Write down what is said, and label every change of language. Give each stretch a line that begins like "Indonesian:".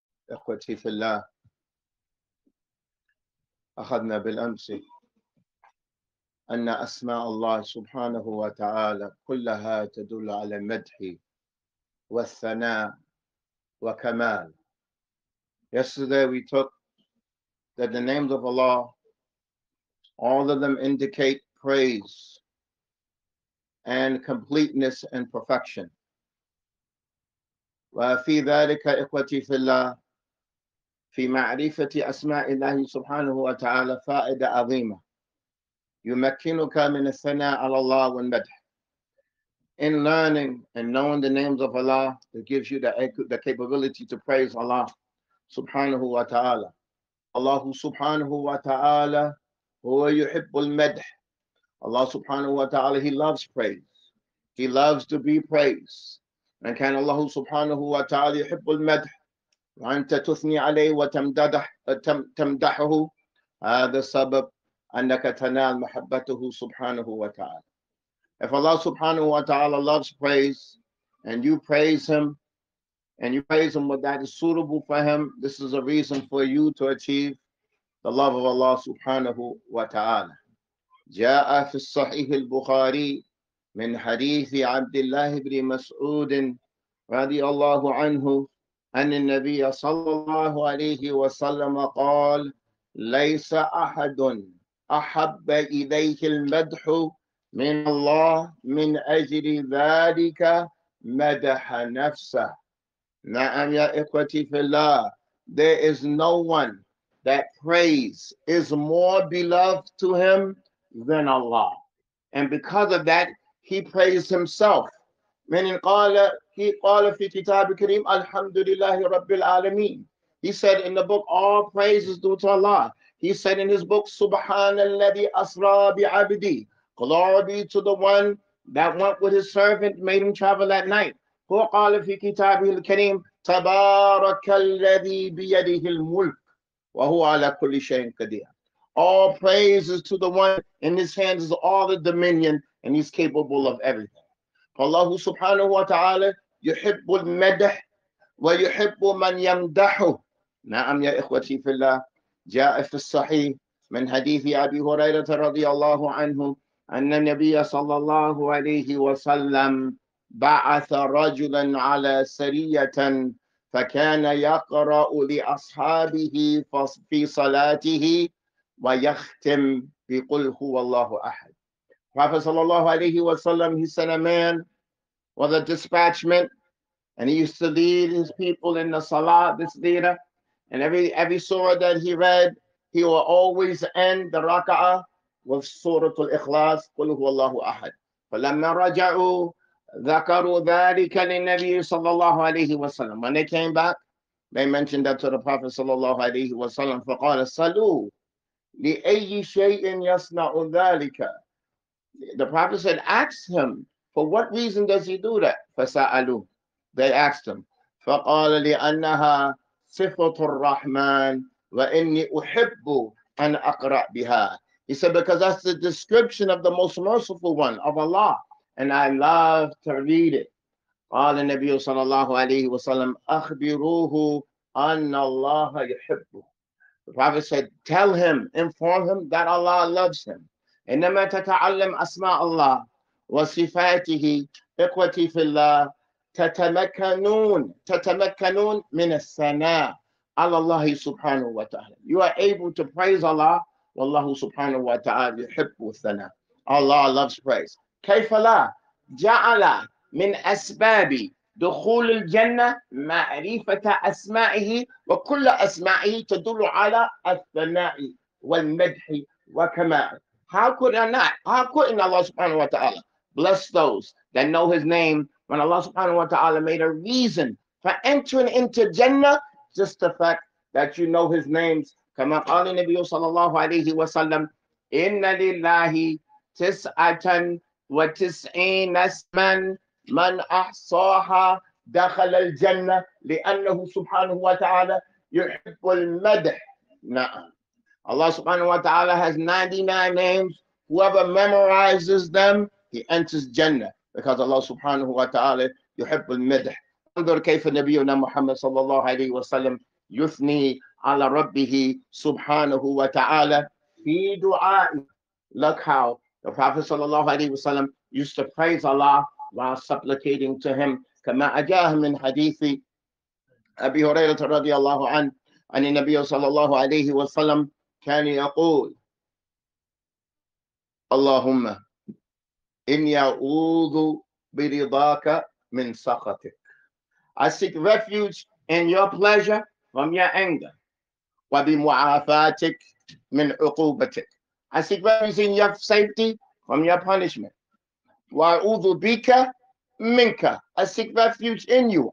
Arabic: إخوتي في الله، أخذنا بالأمس أن أسماء الله سبحانه وتعالى كلها تدل على المدح والثناء وكمال.
English: Yesterday we took that the names of Allah, all of them indicate praise and completeness and perfection.
Arabic: وفي ذلك إخوتي في الله في معرفة أسماء الله سبحانه وتعالى فائدة عظيمة يمكنك من الثناء على الله والمدح.
English: In learning and knowing the names of Allah, it gives you the capability to praise Allah سبحانه وتعالى.
Arabic: الله سبحانه وتعالى هو يحب المدح.
English: الله سبحانه وتعالى he loves praise. He loves to be praised.
Arabic: من كان الله سبحانه وتعالى يحب المدح وأنت تثني عليه وتمدحه هذا السبب أنك تنال محبته سبحانه وتعالى.
English: If Allah سبحانه وتعالى loves praise and you praise him and you praise him with that is suitable for him, this is a reason for you to achieve the love of Allah سبحانه وتعالى.
Arabic: جاء في الصحيح البخاري من حديث عبد الله بن مسعود رضي الله عنه أن النبي صلى الله عليه وسلم قال ليس أحد أحب إليه المدح من الله من أجل ذلك مدح نفسه. نعم يا إخوتي في الله,
English: there is no one that praise is more beloved to him than Allah, and because of that he praised himself. He
Arabic: قال في كتاب الكريم الحمد لله رب العالمين.
English: He said in the book, all praise is due to Allah. He said in his book,
Arabic: سبحان الذي أسرى بعبدي.
English: Glory be to the one that went with his servant, made him travel at night.
Arabic: هو قال في كتابه الكريم تبارك الذي بيده الملك وهو على كل شيء قدير.
English: All praise is to the one in his hands is all the dominion. And he's capable of everything.
Arabic: Allah subhanahu wa ta'ala يحب المدح ويحب من يمدحه. نعم يا إخوتي في الله, جاء في الصحيح من حديث أبي هريرة رضي الله عنه أن النبي صلى الله عليه وسلم بعث رجلا على سرية فكان يقرأ لأصحابه في صلاته ويختم بقل هو الله أحد.
English: Prophet sallallahu alayhi wa sallam, he sent a man with a dispatchment and he used to lead his people in the salah, this leader, and every surah that he read, he will always end the raka'ah with surah al-ikhlas,
Arabic: قُلْ هُوَ اللَّهُ أَحَدْ. فَلَمَّا رَجَعُوا ذَكَرُوا ذَلِكَ لِلنَّبِيِّ sallallahu alayhi wa sallam.
English: When they came back, they mentioned that to the Prophet sallallahu alayhi wa sallam.
Arabic: فَقَالَ صَلُوا لِأَيِّ شَيْءٍ يَصْنَعُ ذَلِكَ.
English: The Prophet said, ask him, for what reason does he do that?
Arabic: فَسَأَلُوا.
English: They asked him.
Arabic: فَقَالَ لِأَنَّهَا صِفَةُ الرَّحْمَنِ وَإِنِّي أُحِبُّ أَنْ أَقْرَأْ بِهَا.
English: He said, because that's the description of the most merciful one, of Allah. And I love to read it.
Arabic: قَالَ النَّبِيُّ صَلَى اللَّهُ عَلَيْهِ وَسَلَّمْ أَخْبِرُوهُ أَنَّ اللَّهَ يُحِبُّ.
English: The Prophet said, tell him, inform him that Allah loves him.
Arabic: إنما تتعلم أسماء الله وصفاته إخوتي في الله تتمكنون من الثناء على الله سبحانه وتعالى.
English: You are able to praise Allah
Arabic: والله سبحانه وتعالى يحب الثناء.
English: Allah loves praise.
Arabic: كيف لا؟ جعل من أسباب دخول الجنة معرفة أسمائه وكل أسمائه تدل على الثناء والمدح وكمال.
English: How couldn't Allah subhanahu wa ta'ala bless those that know his name when Allah subhanahu wa ta'ala made a reason for entering into Jannah? Just the fact that you know his names.
Arabic: كما قال النبي صلى الله عليه وسلم إن لله 99 اسما من أحصاها دخل الجنة، لأنه سبحانه وتعالى يحب المدح. نعم.
English: Allah subhanahu wa ta'ala has 99 names. Whoever memorizes them, he enters Jannah. Because Allah subhanahu wa ta'ala
Arabic: يحب المدح. انظر كيف نبينا محمد صلى الله عليه وسلم يثني على ربه سبحانه وتعالى في دعاء.
English: Look how the Prophet صلى الله عليه وسلم used to praise Allah while supplicating to him.
Arabic: كما جاء من حديث أبي هريرة رضي الله عنه عن النبي صلى الله عليه وسلم كان يقول اللهم إني أعوذ برضاك من سخطك.
English: I seek refuge in your pleasure from your anger.
Arabic: وبمعافاتك من عقوبتك.
English: I seek refuge in your safety from your punishment.
Arabic: وأعوذ بك منك.
English: I seek refuge in you.